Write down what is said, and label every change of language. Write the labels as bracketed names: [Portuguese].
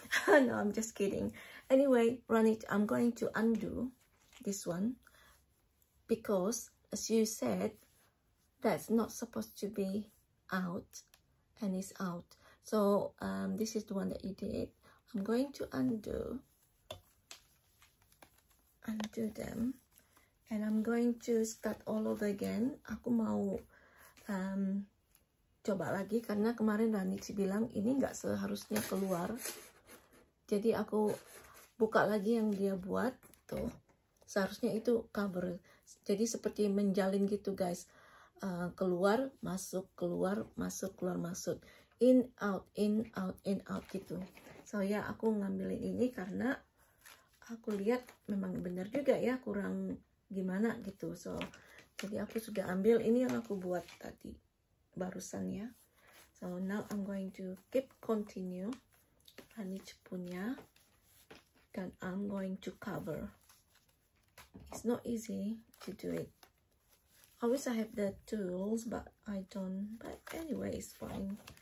[English] No, I'm just kidding. Anyway, run it. I'm going to undo this one because, as you said, that's not supposed to be out, and it's out. So this is the one that you did. I'm going to undo. Undo them, and I'm going to start all over again. [Indonesian] Aku mau coba lagi karena kemarin Ranik bilang ini nggak seharusnya keluar. Jadi aku buka lagi yang dia buat tuh. Seharusnya itu cover. Jadi seperti menjalin gitu guys. Keluar masuk keluar masuk keluar masuk. In out gitu. So ya aku ngambilin ini karena aku lihat memang benar juga ya kurang gimana gitu. So jadi aku sudah ambil ini yang aku buat tadi barusan ya. [English] So now I'm going to keep continue Anic [Indonesian] punya dan [English] I'm going to cover. It's not easy to do it. I wish I have the tools but I don't, but anyway it's fine.